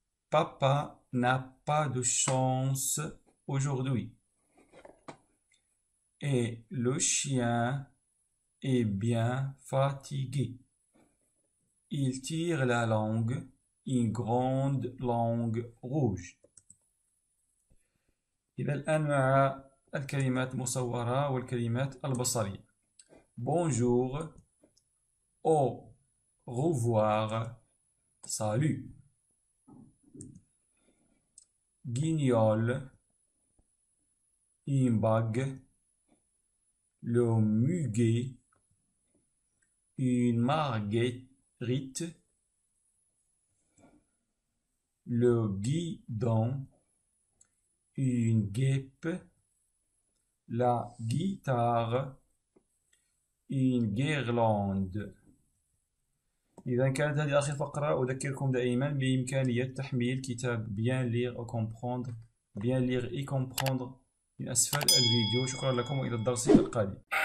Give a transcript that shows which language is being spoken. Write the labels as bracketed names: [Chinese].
[French] Papa n'a pas de chance aujourd'hui. Et le chien est bien fatigué. Il tire la langue, une grande langue rouge. [Arabic] إذا الآن مع الكلمات المصورة والكلمات البصرية. [French] Bonjour. Au revoir. Salut. Guignol. Une bague. Le muguet. Une marguerite. Le guidon. Une guêpe, la guitare, une guirlande. [Arabic] إذا كانت هذه آخر فقرة أذكركم دائما بإمكانية تحميل كتاب Bien lire et comprendre Bien lire et comprendre من أسفل الفيديو. شكرا لكم وإلى الدرس القادم.